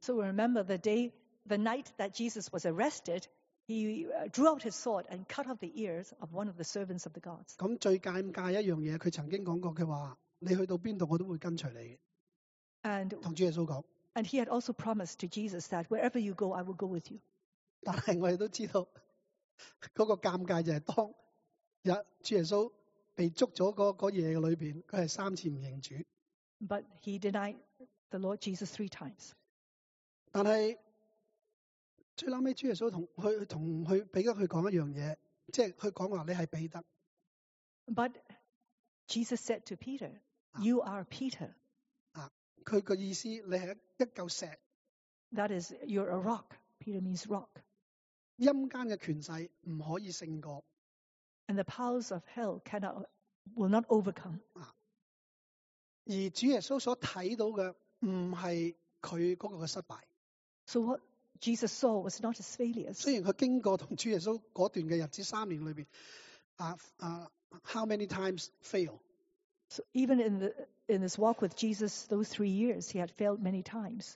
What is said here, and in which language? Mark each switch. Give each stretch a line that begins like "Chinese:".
English: So remember the day, the night that Jesus was arrested, he drew out his sword and cut off the ears of one of the servants of the gods.
Cantonese: 咁最尴尬一样嘢，佢曾经讲过，佢话你去到边度我都会跟随你。
English: And
Cantonese: 同主耶稣讲。
English: And he had also promised to Jesus that wherever you go, I will go with you.
Cantonese: 但系我哋都知道，嗰个尴尬就系当主耶稣被捉咗嗰夜嘅里边，佢系三次唔认主。
English: But he denied the Lord Jesus three times.
Cantonese: 但系最后尾主耶稣同佢彼得佢讲一样嘢，即系佢讲话你系彼得。
English: But Jesus said to Peter, "You are Peter."
Cantonese: 佢个意思，你系一嚿石。
English: That is, you're a rock. Peter means rock.
Cantonese: 阴间嘅权势唔可以胜过。
English: And the powers of hell will not overcome.
Cantonese: 而主耶稣所睇到嘅唔系佢嗰个嘅失败。
English: So what Jesus saw was not his failures.
Cantonese: 虽然佢经过同主耶稣嗰段嘅日子三年里边，
English: how many times fail? So even in the In his walk with Jesus, those 3 years, he had failed many times.